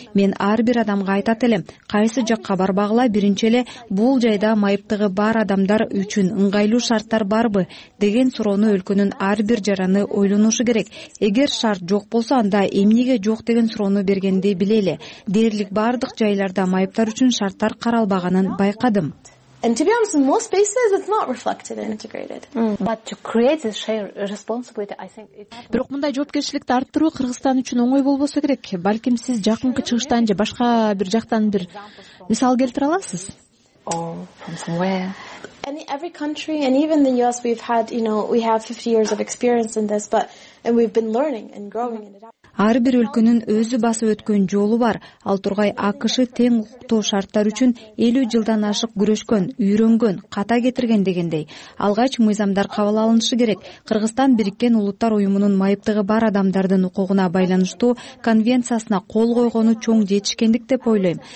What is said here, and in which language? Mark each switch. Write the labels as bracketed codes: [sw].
[ky] Мен ар бир адамга айтат элем, кайсы жакка барбагыла, биринчи эле бул жайда майыптыгы бар адамдар үчүн ыңгайлуу шарттар барбы деген суроону өлкөнүн ар бир жараны ойлонушу керек. Эгер шарт жок болсо, анда эмнеге жок деген суроону бергенди билели. Дээрлик бардык жайларда майыптар үчүн шарттар каралбаганын байкадым. [en] And to be honest, in most spaces it's not reflected and integrated. But to create this shared responsibility, I think it's [ky] бирок мындай жоопкерчиликти арттыруу Кыргызстан үчүн оңой болбосо керек. Балким сиз жакынкы чыгыштан же башка бир жактан бир мисал келтире аласыз? [en] From somewhere. And every country and even the US we've had, you know, we have 50 years of experience in this, but and we've been learning and growing and adapting. [ky] Ар бир өлкөнүн өзү басып өткөн жолу бар. Ал тургай АКШ тең укуктуу шарттар үчүн 50 жылдан ашык күрөшкөн, үйрөнгөн, ката кетирген дегендей. Алгач мыйзамдар кабыл алынышы керек. Кыргызстан Бириккен Улуттар Уюмунун майыптыгы бар адамдардын укугуна байланыштуу конвенциясына кол койгону чоң жетишкендик деп ойлойм.